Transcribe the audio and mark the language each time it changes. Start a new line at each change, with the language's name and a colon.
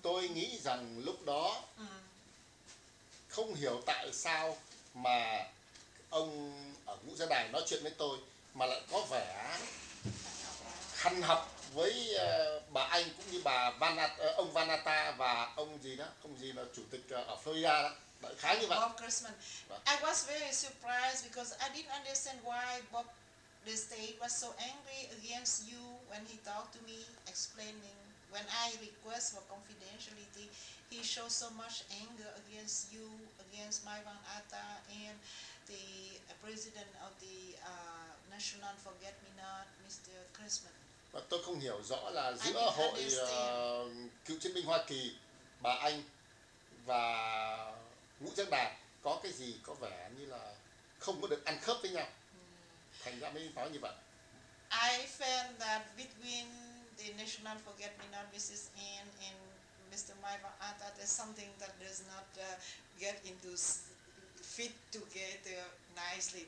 Vietnamese: Tôi nghĩ rằng lúc đó không hiểu tại sao mà ông ở Ngũ Giác Đài nói chuyện với tôi mà lại có vẻ hằn học với bà anh cũng như bà Vanata, ông Vanata và ông gì đó, ông gì là chủ tịch ở Florida đó. Đại khái như vậy.
English: Bob Cressman. I was very surprised because I didn't understand why Bob Destay was so angry against you when he talked to me explaining. When I request for confidentiality, he showed so much anger against you, against Mai Van Atta and the president of the National Forget Me Not, Mr. Cressman.
Vietnamese: Và tôi không hiểu rõ là giữa hội cựu chiến binh Hoa Kỳ, bà anh và Ngũ Giác Đài có cái gì có vẻ như là không có được ăn khớp với nhau. Thành ra mới nói như vậy.
English: I felt that between the National Forget Me Not, Mrs. Ann, and Mr. Maiva, I thought it's something that does not get into fit together nicely.